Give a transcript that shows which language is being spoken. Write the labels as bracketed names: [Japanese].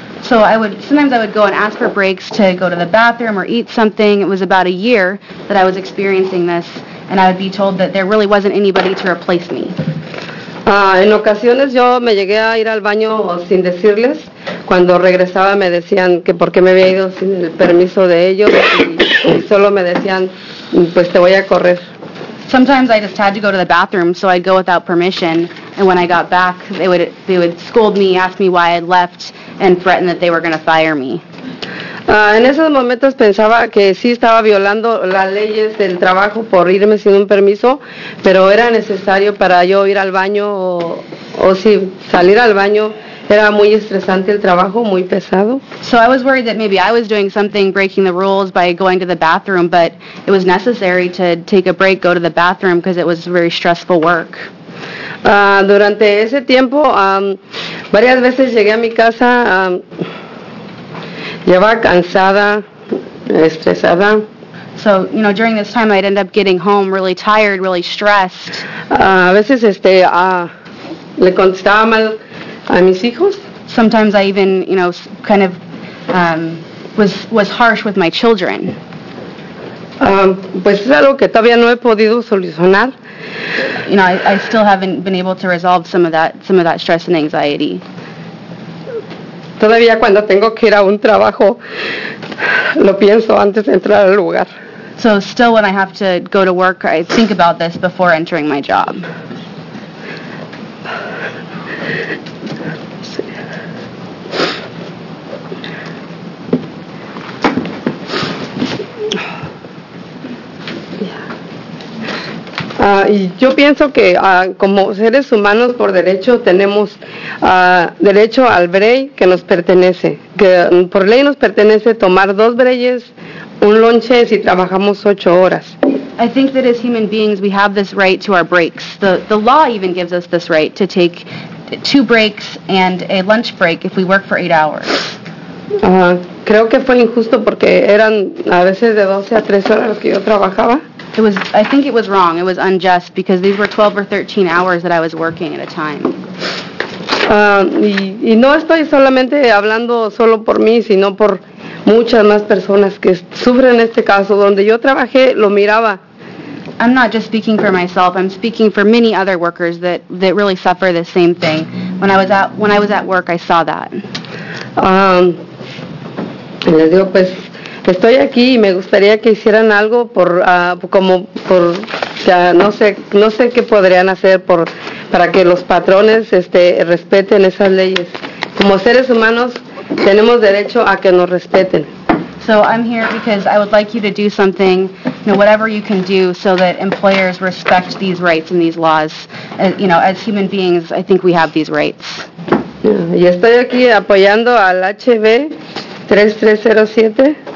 [English] So I would sometimes I would go and ask for breaks to go to the bathroom or eat something. It was about a year that I was experiencing this, and I would be told that there really wasn't anybody to replace me. [Spanish] En ocasiones yo me llegué a ir al baño sin decirles. Cuando regresaba me decían que por qué me había ido sin el permiso de ellos y solo me decían, pues te voy a correr. [English] Sometimes I just had to go to the bathroom, so I'd go without permission, and when I got back, they would scold me, ask me why I'd left, and threaten that they were going to fire me. [Spanish] En esos momentos pensaba que sí estaba violando las leyes del trabajo por irme sin un permiso, pero era necesario para yo ir al baño o si salir al baño. Era muy estresante el trabajo, muy pesado. [English] So I was worried that maybe I was doing something, breaking the rules by going to the bathroom, but it was necessary to take a break, go to the bathroom, because it was very stressful work. [Spanish] Durante ese tiempo, varias veces llegué a mi casa, llevaba cansada, estresada. [English] So, you know, during this time, I'd end up getting home really tired, really stressed. [Spanish] A veces le contestaba mal a mis hijos. [English] Sometimes I even, you know, kind of was harsh with my children. [Spanish] Pues es algo que todavía no he podido solucionar. [English] You know, I still haven't been able to resolve some of that stress and anxiety. [Spanish] Todavía cuando tengo que ir a un trabajo, lo pienso antes de entrar al lugar. [English] So still when I have to go to work, I think about this before entering my job. [Spanish] Y yo pienso que como seres humanos por derecho tenemos derecho al break que nos pertenece, que por ley nos pertenece tomar dos breaks, un lonche si trabajamos 8 horas. [English] I think that as human beings we have this right to our breaks. The law even gives us this right to take 2 breaks and a lunch break if we work for 8 hours. [Spanish] Creo que fue injusto porque eran a veces de 12 a 13 horas los que yo trabajaba. [English] I think it was wrong. It was unjust because these were 12 or 13 hours that I was working at a time. [Spanish] Y no estoy solamente hablando solo por mí, sino por muchas más personas que sufren este caso. Donde yo trabajé, lo miraba. [English] I'm not just speaking for myself. I'm speaking for many other workers that really suffer the same thing. When I was at work, I saw that. [Spanish] Les digo, pues, estoy aquí y me gustaría que hicieran algo por no sé qué podrían hacer para que los patrones respeten esas leyes. Como seres humanos tenemos derecho a que nos respeten. [English] So I'm here because I would like you to do something, you know, whatever you can do so that employers respect these rights and these laws. You know, as human beings, I think we have these rights. [Spanish] Y estoy aquí apoyando al HB 3307.